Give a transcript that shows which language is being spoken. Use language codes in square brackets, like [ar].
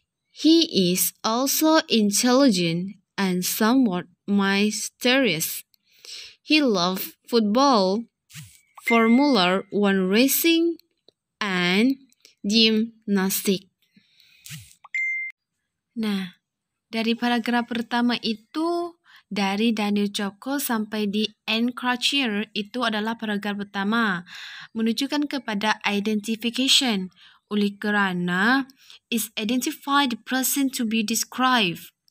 [en] He is also intelligent and somewhat mysterious. He loves football, Formula One racing, and gymnastic. [ms] Nah, dari paragraf pertama itu dari Daniel Joko sampai di Encroacher itu adalah paragraf pertama, menunjukkan kepada identification. Oleh kerana [en] is identify the person to be described.